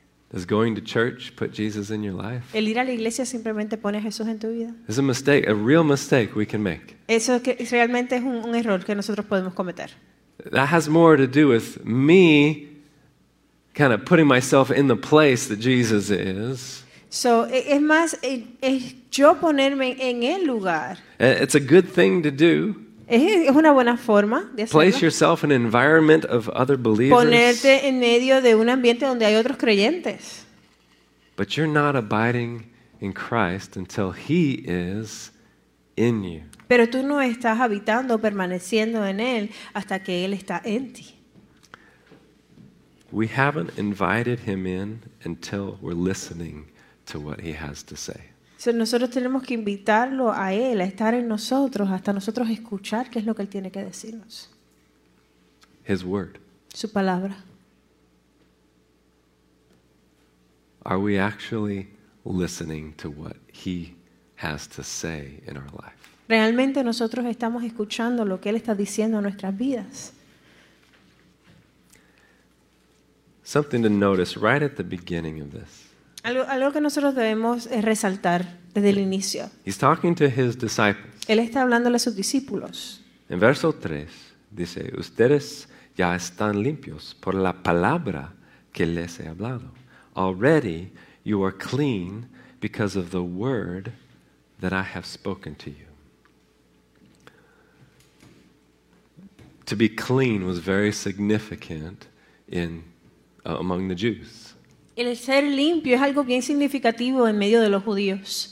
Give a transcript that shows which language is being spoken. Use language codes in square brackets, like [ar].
[en] Does going to church put Jesus in your life? [es] El ir a la iglesia simplemente pone a Jesús en tu vida. [en] It's a mistake, a real mistake we can make. [es] Eso es que realmente es un error que nosotros podemos cometer. [en] That has more to do with me kind of putting myself in the place that Jesus is. [es] So, es más, es yo ponerme en el lugar. [en] It's a good thing to do. [es] Es una buena forma de hacerlo. [en] Place yourself in an environment of other believers. [es] Ponerte en medio de un ambiente donde hay otros creyentes. [en] But you're not abiding in Christ until he is in you. [es] Pero tú no estás habitando, permaneciendo en él hasta que él está en ti. [en] We haven't invited him in until we're listening to what he has to say. [es] Nosotros tenemos que invitarlo a él, a estar en nosotros, hasta nosotros escuchar qué es lo que él tiene que decirnos. [en] His word. [es] Su palabra. [en] Are we actually listening to what he has to say in our life? [es] ¿Realmente nosotros estamos escuchando lo que él está diciendo en nuestras vidas? [en] Something to notice right at the beginning of this. [es] Algo que nosotros debemos resaltar desde el inicio. [en] He's talking to his disciples. [es] Él está hablando a sus discípulos. En verso 3 dice, ustedes ya están limpios por la palabra que les he hablado. [en] Already you are clean because of the word that I have spoken to you. To be clean was very significant in among the Jews. [es] El ser limpio es algo bien significativo en medio de los judíos.